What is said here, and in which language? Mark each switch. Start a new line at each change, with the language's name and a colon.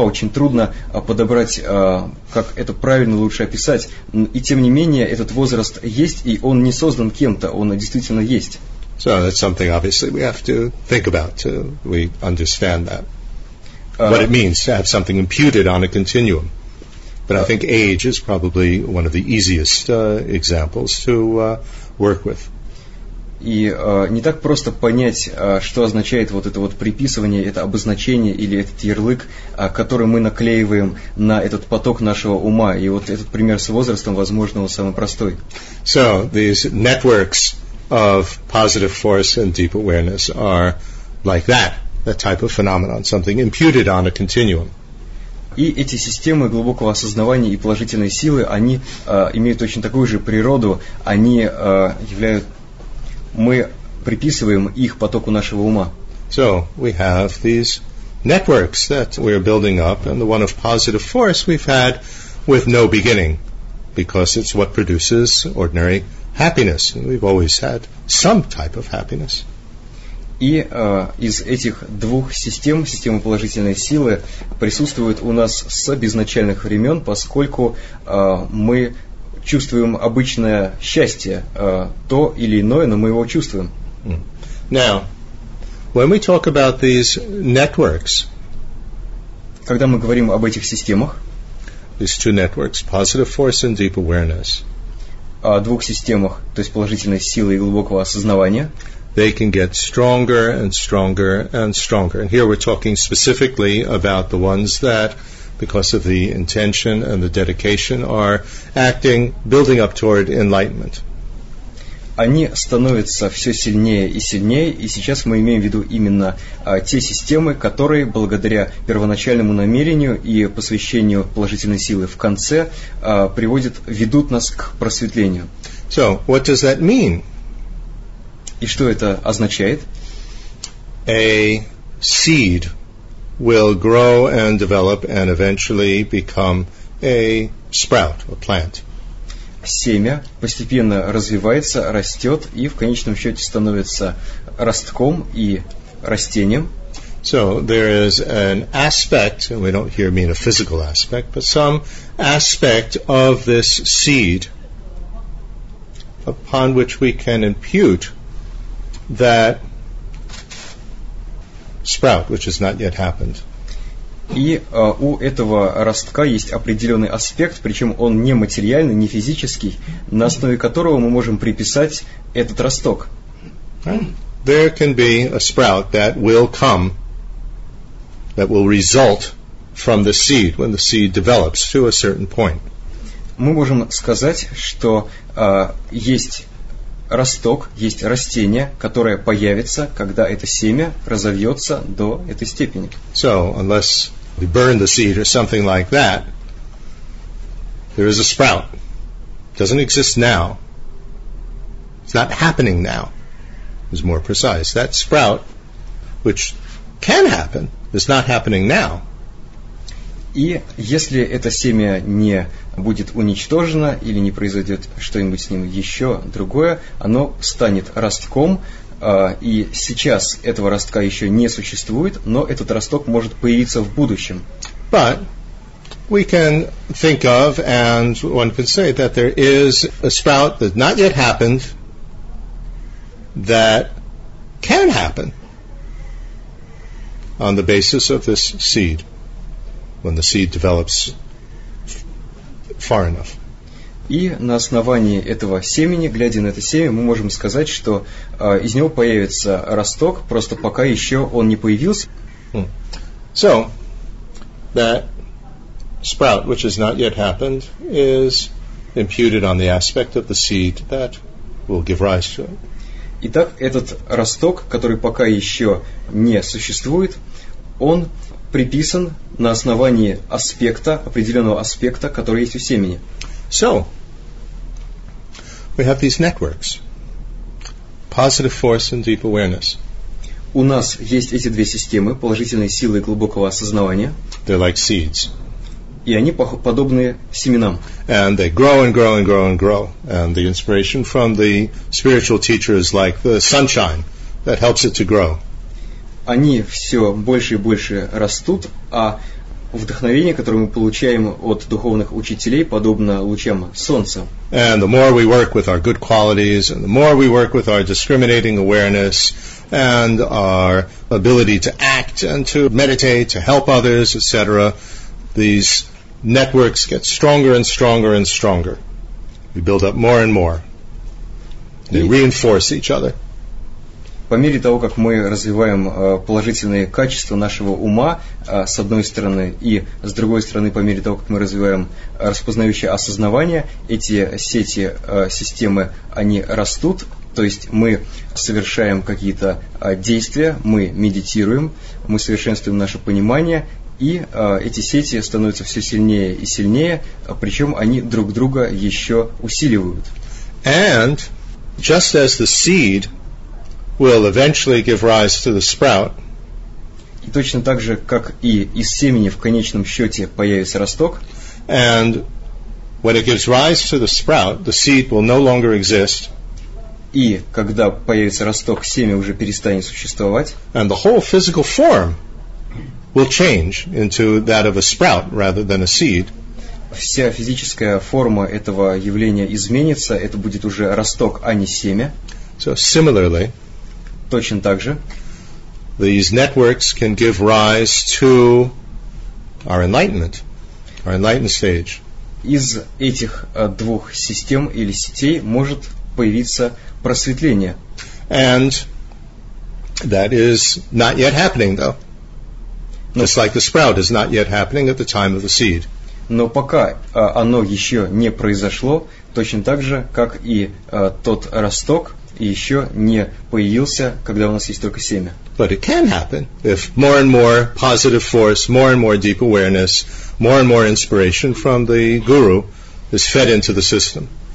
Russian: Очень трудно подобрать, как это правильно лучше описать. И тем не менее, этот возраст есть, и он не создан кем-то, он действительно есть.
English: So that's something obviously we have to think about, we understand that. What it means to have something imputed on a continuum. But I think age is probably one of the easiest examples to work with.
Russian: И не так просто понять, что означает вот это вот приписывание, это обозначение или этот ярлык, который мы наклеиваем на этот поток нашего ума. И вот этот пример с возрастом, возможно, он самый простой.
English: So these networks of positive force and deep awareness are like that, that type of phenomenon, something imputed on a continuum.
Russian: И эти системы глубокого осознавания и положительной силы, они имеют очень такую же природу, они мы приписываем их потоку нашего ума.
English: So, we have these networks that we are building up, and the one of positive force we've had with no beginning, because it's what produces ordinary happiness, and we've always had some type of happiness.
Russian: И из этих двух систем, системы положительной силы, присутствуют у нас с безначальных времен, поскольку мы чувствуем обычное счастье, то или иное, но мы его чувствуем.
English: Now, when we talk about these networks,
Russian: когда мы говорим об этих системах,
English: these two networks, positive force and deep awareness,
Russian: о двух системах, то есть положительной силы и глубокого осознавания,
English: they can get stronger and stronger and stronger. And here we're talking specifically about the ones that, because of the intention and the dedication, are acting, building up toward enlightenment.
Russian: Они становятся все сильнее и сильнее, и сейчас мы имеем в виду именно те системы, которые, благодаря первоначальному намерению и посвящению положительной силы в конце, ведут нас к просветлению.
English: So, what does that mean?
Russian: И что это означает?
English: A seed will grow and develop and eventually become a sprout, a plant.
Russian: Семя постепенно развивается, растет и в конечном счете становится ростком и растением.
English: So there is an aspect, and we don't here mean a physical aspect, but some aspect of this seed upon which we can impute that sprout, which has not yet happened.
Russian: И у этого ростка есть определенный аспект, причем он не материальный, не физический, на основе которого мы можем приписать этот росток.
English: There can be a sprout that will come, that will result from the seed when the seed develops to a certain point.
Russian: Мы можем сказать, что есть росток, есть растение, которое появится, когда это семя разовьется до этой степени.
English: So, unless we burn the seed or something like that, there is a sprout. It doesn't exist now. It's not happening now. It's more precise. That sprout, which can happen, is not happening now.
Russian: И если это семя не будет уничтожено или не произойдет что-нибудь с ним еще другое, оно станет ростком, и сейчас этого ростка еще не существует, но этот росток может появиться в будущем.
English: But we can think of, and one can say that there is a sprout that not yet happened that can happen on the basis of this seed, when the seed develops far enough.
Russian: И на основании этого семени, глядя на это семя, мы можем сказать, что из него появится росток, просто пока еще он не появился.
English: So, that sprout, which has not yet happened, is imputed on the aspect of the seed that will give rise to it.
Russian: Итак, этот росток, который пока еще не существует, он приписан на основании аспекта, определенного аспекта, который есть у семени.
English: So, we have these networks, positive force and deep awareness.
Russian: У нас есть эти две системы, положительные силы и глубокого осознавания.
English: They're like seeds.
Russian: И они подобны семенам.
English: And they grow and grow and grow and grow. And the inspiration from the spiritual teacher is like the sunshine that helps it to grow.
Russian: Они все больше и больше растут, а вдохновение, которое мы получаем от духовных учителей, подобно лучам солнца.
English: And the more we work with our good qualities, and the more we work with our discriminating awareness, and our ability to act and to meditate, to help others, etc., these networks get stronger and stronger and stronger. We build up more and more. They reinforce each other.
Russian: По мере того, как мы развиваем положительные качества нашего ума, с одной стороны, и с другой стороны, по мере того, как мы развиваем распознающее осознавание, эти сети, системы, они растут, то есть мы совершаем какие-то действия, мы медитируем, мы совершенствуем наше понимание, и эти сети становятся все сильнее и сильнее, причем они друг друга еще усиливают.
English: And just as the seed will eventually give rise to the sprout.
Russian: И точно так же, как и из семени в конечном счете появится росток.
English: And when it gives rise to the sprout, the seed will no longer exist.
Russian: И когда появится росток, семя уже перестанет существовать.
English: And the whole physical form will change into that of a sprout rather than a seed.
Russian: Вся физическая форма этого явления изменится, это будет уже росток, а не семя.
English: So similarly,
Russian: точно так же,
English: these networks can give rise to our enlightenment, our enlightened stage.
Russian: Из этих двух систем или сетей может появиться просветление.
English: And that is not yet happening, though.
Russian: Но,
English: just like the sprout is not yet happening at the time of the seed.
Russian: Но пока оно еще не произошло, точно так же, как и тот росток, и еще не появился, когда у нас есть только семя.
English: But it can happen if more and more positive force, more and more deep awareness, more and more inspiration from the guru is fed into the system.